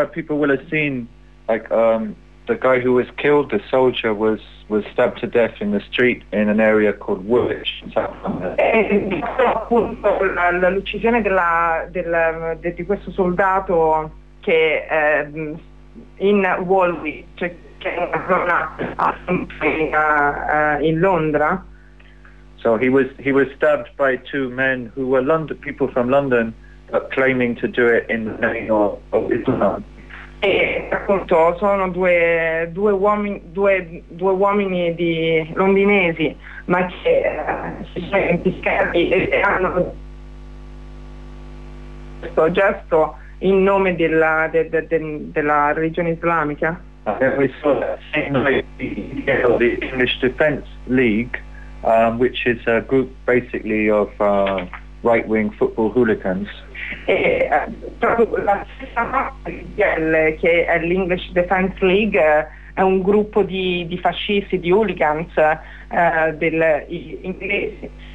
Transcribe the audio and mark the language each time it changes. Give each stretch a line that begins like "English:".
English: People will have seen, like, the guy who was killed, the soldier, was stabbed to death in the street in an area called Woolwich.
Italian: L'uccisione di questo soldato che in Woolwich, che è una zona in Londra.
English: So he was stabbed by two men who were London people from London, but claiming to do it in the name of Islam.
Italian: E appunto sono due uomini di londinesi, ma che si sono impiccati e hanno questo gesto in nome della della religione islamica.
English: We saw the English Defence League, which is a group basically of right-wing football hooligans.
Italian: La stessa IDL, che è l'English Defence League, è un gruppo di fascisti, di hooligans inglesi.